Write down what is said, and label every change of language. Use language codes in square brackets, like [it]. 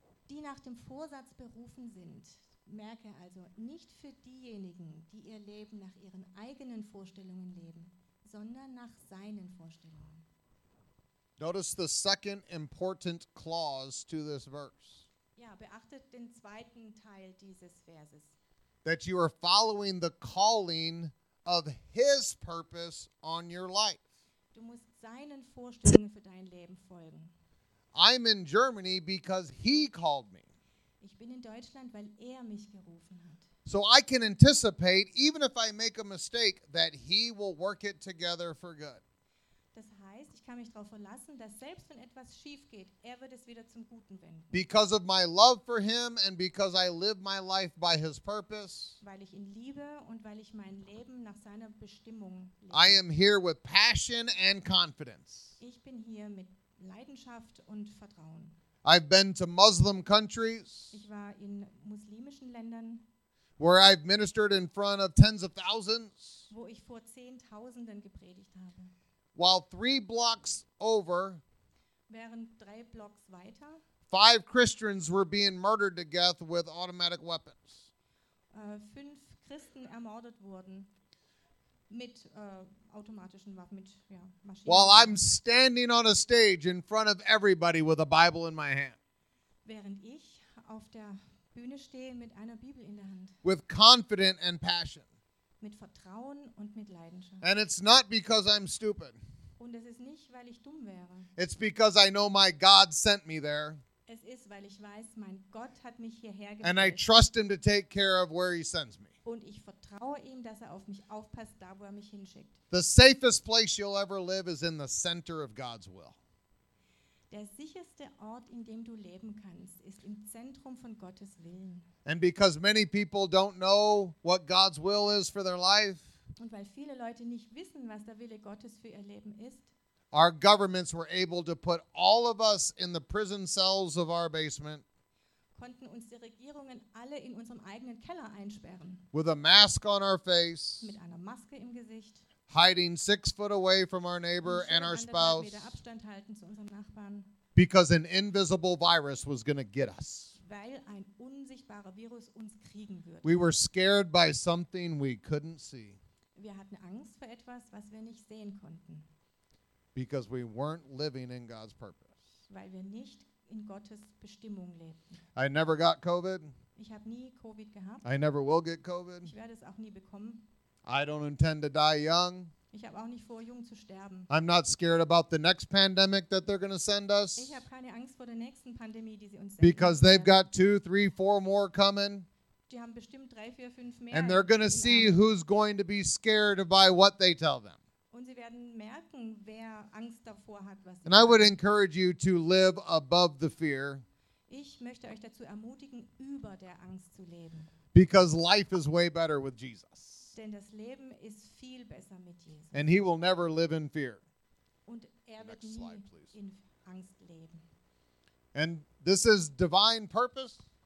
[de] Die nach dem Vorsatz berufen sind, merke also, nicht für diejenigen, die ihr Leben nach ihren eigenen Vorstellungen leben, sondern nach seinen Vorstellungen. [en] Notice the second important clause to this verse. [de] Ja, beachtet den zweiten Teil dieses Verses. [en] That you are following the calling of his purpose on your life. [de] Du musst seinen Vorstellungen für dein Leben folgen. [en] I'm in Germany because he called me. [de] Ich bin in Deutschland, weil er mich gerufen hat. [en] So I can anticipate, even if I make a mistake, that he will work it together for good. [de] Das heißt, ich kann mich darauf verlassen, dass selbst wenn etwas schief geht, er wird es wieder zum Guten wenden. [en] Because of my love for him and because I live my life by his purpose. [de] Weil ich ihn liebe und weil ich mein Leben nach seiner Bestimmung lebe. [en] I am here with passion and confidence. [de] Ich bin hier mit Leidenschaft und Vertrauen. [en] I've been to Muslim countries. [de] Ich war in muslimischen Ländern. [en] Where I've ministered in front of tens of thousands. [de] Wo ich vor Zehntausenden gepredigt habe. [en] While three blocks over. [de] Während drei Blocks weiter. [en] Five Christians were being murdered to death with automatic weapons. [de] Fünf Christen ermordet wurden. Mit automatischen Waffen, mit, ja, Maschinen. [en] While I'm standing on a stage in front of everybody with a Bible in my hand. [de] Während ich auf der Bühne stehe mit einer Bibel in der Hand. [en] With confidence and passion. [de] Mit Vertrauen und mit Leidenschaft. [en] And it's not because I'm stupid. [de] Und es ist nicht, weil ich dumm wäre. [en] It's because I know my God sent me there. [de] Es ist, weil ich weiß, mein Gott hat mich hierher gebracht. [en] And I trust him to take care of where he sends me. [de] Und ich vertraue ihm, dass er auf mich aufpasst, da wo er mich hinschickt. [en] The safest place you'll ever live is in the center of God's will. [de] Der sicherste Ort, in dem du leben kannst, ist im Zentrum von Gottes Willen. [en] And because many people don't know what God's will is for their life. [de] Und weil viele Leute nicht wissen, was der Wille Gottes für ihr Leben ist. [en] Our governments were able to put all of us in the prison cells of our basement. [de] Konnten uns die Regierungen alle in unserem eigenen Keller einsperren. [en] With a mask on our face. [de] Mit einer Maske im Gesicht. [en] Hiding 6 feet away from our neighbor and our spouse. [de] Meter Abstand halten zu unserem Nachbarn. [en] Because an invisible virus was going to get us. [de] Weil ein unsichtbarer Virus uns kriegen würde. [en] We were scared by something we couldn't see. [de] Wir hatten Angst vor etwas, was wir nicht sehen konnten. [en] Because we weren't living in God's purpose. [de] Weil wir nicht in Gottes Bestimmung lebten. [en] I never got COVID. [de] Ich habe nie COVID gehabt. [en] I never will get COVID. [de] Ich werde es auch nie bekommen. [en] I don't intend to die young. [de] Ich habe auch nicht vor, jung zu sterben. [en] I'm not scared about the next pandemic that they're going to send us. [de] Ich habe keine Angst vor der nächsten Pandemie, die sie uns senden. [en] Because they've got 2, 3, 4 more coming. [de] Die haben bestimmt 3, 4, 5 mehr. [en] And they're going to see who's going to be scared by what they tell them. [de] Und sie werden merken, wer Angst davor hat, was [en] And I would encourage you to live above the fear. [de] Ich möchte euch dazu ermutigen, über der Angst zu leben. [en] Because life is way better with Jesus. [de] Denn das Leben ist viel besser mit Jesus. [en] And he will never live in fear. [de] Und er wird nie slide, in Angst leben. [en] And this is divine purpose.